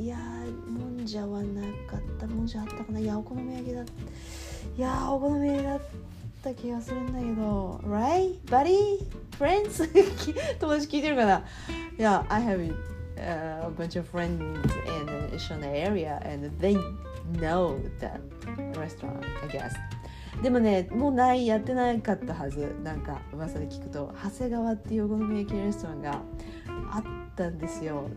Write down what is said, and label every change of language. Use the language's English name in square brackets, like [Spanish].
[Japanese] いやー、もんじゃはなかった。もんじゃあったかな。いや、お好み焼きだった。いやー、お好み焼きだった気がするんだけど。 [English] Right? Buddy? Friends? [Japanese] 友達聞いてるかな？ [English] Yeah, I have a bunch of friends in Shona area and they... know that restaurant, I guess. [Japanese] でもね、もうない、やってなかったはず。なんか噂で聞くと、長谷川っていうお好み焼きレストランがあったんですよ。